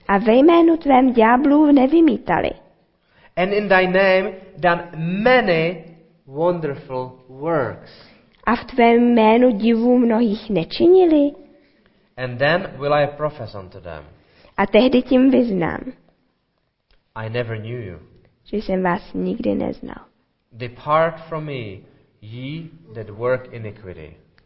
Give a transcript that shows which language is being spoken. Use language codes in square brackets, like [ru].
[cs] A ve jménu tvém ďáblů nevymítali. [en] And in thy name done many wonderful works. [cs] A v tvém jménu divů mnohých nečinili. [en] And then will I profess unto them. [cs] A tehdy tím vyznám. [en] I never knew you. [cs] Že jsem vás nikdy neznal. [en] Depart from me, ye that work iniquity.